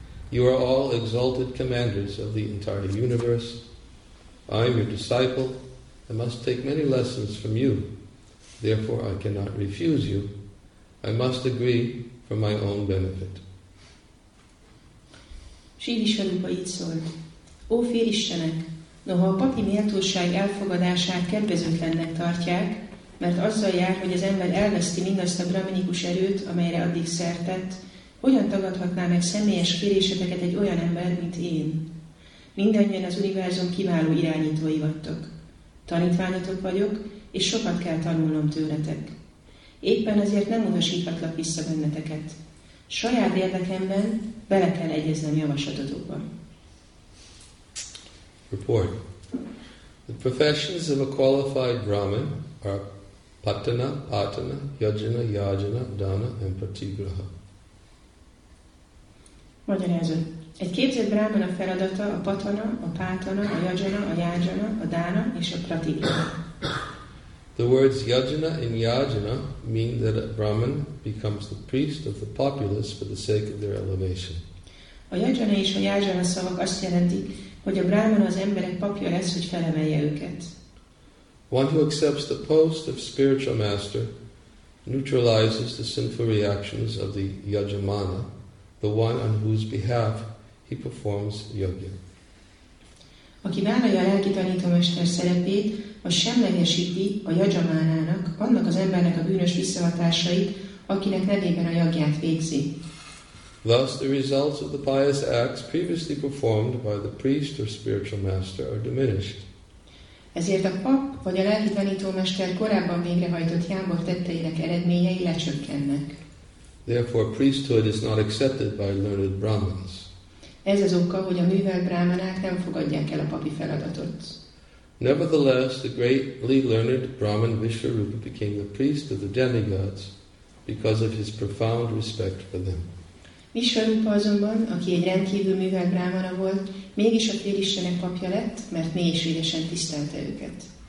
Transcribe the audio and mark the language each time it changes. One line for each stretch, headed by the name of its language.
English: You are all exalted commanders of the entire universe. I am your disciple and must take many lessons from you. Therefore, I cannot refuse you. I must agree for my own benefit.
Hungarian: Sri Vishwarupa így szólt. Ó félistenek, noha a papi méltóság elfogadását kedvezőtlennek tartják, mert azzal jár, hogy az ember elveszti mindazt a brahminikus erőt, amelyre addig szert tett, hogyan tagadhatná meg személyes kéréseteket egy olyan ember, mint én? Mindannyian az univerzum kiváló irányítói vagytok. Tanítványotok vagyok, és sokat kell tanulnom tőletek. Éppen azért nem utasíthatlak vissza benneteket. Saját érdekemben bele kell egyeznem javaslatotokba.
English: Report. The professions of a qualified Brahmin are Patana, Patana, Yajana, Yajana, Dana and Pratigraha.
Hungarian: Magyarázat. Egy képzett Brahmin a feladata a Patana, a Patana, a Yajana, a Yajana, a Dana és a Pratigraha.
English: The words yajana and yajana mean that a Brahmin becomes the priest of the populace for the sake of their elevation.
Hungarian: A yajana és a yajana szavak azt jelenti, hogy a Brahmin az emberek papja lesz, hogy felemelje őket.
English: One who accepts the post of spiritual master neutralizes the sinful reactions of the yajamana, the one on whose behalf he performs yajna.
Hungarian: Aki vállalja a lelki tanítómester szerepét, az semlegesíti a jajamánának, annak az embernek a bűnös visszahatásait, akinek nevében a jagját végzi.
English: Thus the results of the pious acts previously performed by the priest or spiritual master are diminished.
Hungarian: Ezért a pap vagy a lelki tanítómester korábban végrehajtott jámbor tetteinek eredményei lecsökkennek.
English: Therefore priesthood is not accepted by learned Brahmins.
Hungarian: Ez az oka, hogy a művelt brámanák nem fogadják el a papi feladatot.
English: Nevertheless, the greatly learned Brahman Vishvarupa became the priest of the demigods because of his profound respect for them.
Hungarian: Vishvarupa azonban, aki egy rendkívül művelt brámana volt, mégis a félistenek papja lett, mert mélységesen tisztelte őket.